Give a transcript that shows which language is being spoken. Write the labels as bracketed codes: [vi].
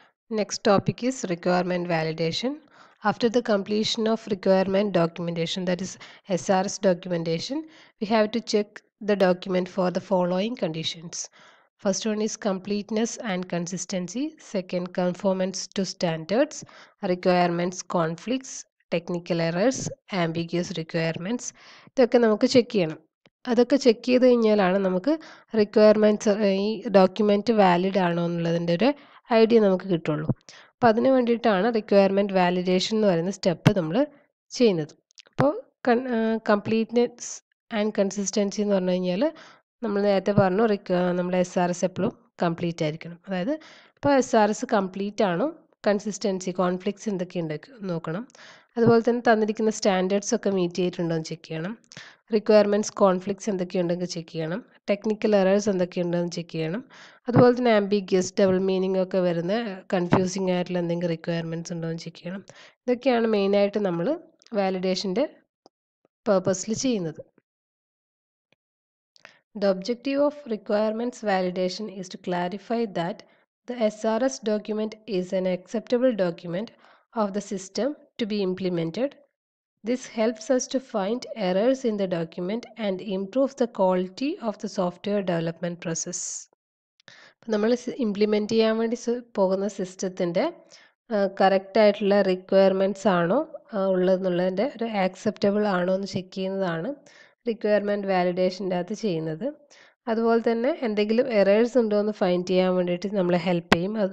[en] Next topic is requirement validation. After the completion of requirement documentation, that is SRS documentation, we have to check the document for the following conditions. First one is completeness and consistency. Second, conformance to standards, requirements, conflicts, technical errors, ambiguous requirements. [ml] ഇതൊക്കെ നമുക്ക് check ചെയ്യണം. അതൊക്കെ check ചെയ്ത് കഴിഞ്ഞാലാണ് നമുക്ക് requirements ഈ document valid ആണോ എന്നുള്ളതിൻ്റെ ഒരു ഐഡിയ നമുക്ക് കിട്ടുള്ളൂ. അപ്പോൾ അതിന് വേണ്ടിയിട്ടാണ് റിക്വയർമെൻറ്റ് വാലിഡേഷൻ എന്ന് പറയുന്ന സ്റ്റെപ്പ് നമ്മൾ ചെയ്യുന്നത്. അപ്പോൾ കംപ്ലീറ്റ്നെസ് ആൻഡ് കൺസിസ്റ്റൻസി എന്ന് പറഞ്ഞു കഴിഞ്ഞാൽ നമ്മൾ നേരത്തെ പറഞ്ഞു നമ്മൾ എസ് ആർ എസ് എപ്പോഴും കംപ്ലീറ്റ് ആയിരിക്കണം. അതായത് ഇപ്പോൾ എസ് ആർ എസ് കംപ്ലീറ്റ് ആണോ, കൺസിസ്റ്റൻസി കോൺഫ്ലിക്ട്സ് എന്തൊക്കെയുണ്ട് നോക്കണം. അതുപോലെ തന്നെ തന്നിരിക്കുന്ന സ്റ്റാൻഡേർഡ്സ് ഒക്കെ മീറ്റ് ചെയ്തിട്ടുണ്ടോയെന്ന് ചെക്ക് ചെയ്യണം. റിക്വയർമെൻറ്റ്സ് കോൺഫ്ലിക്ട്സ് എന്തൊക്കെയുണ്ടെങ്കിൽ ചെക്ക് ചെയ്യണം. ടെക്നിക്കൽ എറേഴ്സ് എന്തൊക്കെയുണ്ടെന്ന് ചെക്ക് ചെയ്യണം. അതുപോലെ തന്നെ ആംബിഗ്യസ് ഡബിൾ മീനിങ് ഒക്കെ വരുന്ന കൺഫ്യൂസിങ് ആയിട്ടുള്ള എന്തെങ്കിലും റിക്വയർമെൻറ്റ്സ് ഉണ്ടോയെന്ന് ചെക്ക് ചെയ്യണം. ഇതൊക്കെയാണ് മെയിനായിട്ട് നമ്മൾ വാലിഡേഷൻ്റെ പേർപ്പസിൽ ചെയ്യുന്നത്. [en] The objective of requirements validation is to clarify that the S R S document is an acceptable document of the system to be implemented. This helps us to find errors in the document and improve the quality of the software development process. [ml] അപ്പോൾ നമ്മൾ implement ചെയ്യാൻ വേണ്ടി പോകുന്ന സിസ്റ്റത്തിൻ്റെ correct ആയിട്ടുള്ള requirements ആണോ ഉള്ളതെന്നുള്ളതിൻ്റെ ഒരു acceptable ആണോ എന്ന് ചെക്ക് ചെയ്യുന്നതാണ് റിക്വയർമെൻറ്റ് വാലിഡേഷൻ്റെ അകത്ത് ചെയ്യുന്നത്. അതുപോലെ തന്നെ എന്തെങ്കിലും എറേഴ്സ് ഉണ്ടോ എന്ന് ഫൈൻഡ് ചെയ്യാൻ വേണ്ടിയിട്ട് നമ്മളെ ഹെൽപ്പ് ചെയ്യും.